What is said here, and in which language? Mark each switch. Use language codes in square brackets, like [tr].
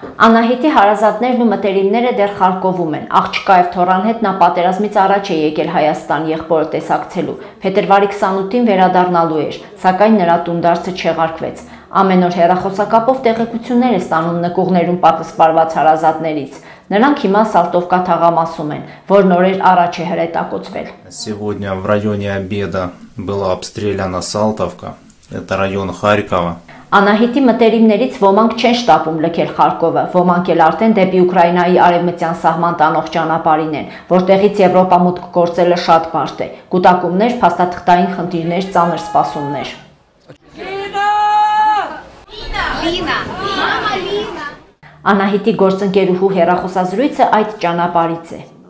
[hy] Անահիտի հարազատներն ու մտերիմները դեռ Խարկովում են։ Աղջկա եւ Թորան հետ նա պատերազմից առաջ է եկել Հայաստան եղբորը տեսակցելու։ Փետրվարի 28-ին վերադառնալու էր, սակայն նրա տուն դարձը չեղարկվեց։ Ամենօր հեռախոսակապով տեղեկություններ է ստանում նկուղներում պատսպարված հարազատներից։ Նրանք հիմա Սալտովկա թաղամասում են, որ նորեր առաջ է հրետակոծվել։ [ru] Сегодня в районе обеда была обстреляна Սալտովկա. Это район Харькова. [hy] Անահիտի մտերիմներից ոմանք չեն շտապում լքել Խարկովը, ոմանք էլ արդեն դեպի Ուկրաինայի արևմտյան սահման տանող ճանապարհին են, որտեղից Եվրոպամուտք գործելը շատ բարդ է, կուտակումներ, փաստաթղթային խնդիրներ, ծանր սպասումներ։ Անահիտի գործընկերուհու հեռախոսազրույցը այդ ճանապարից է։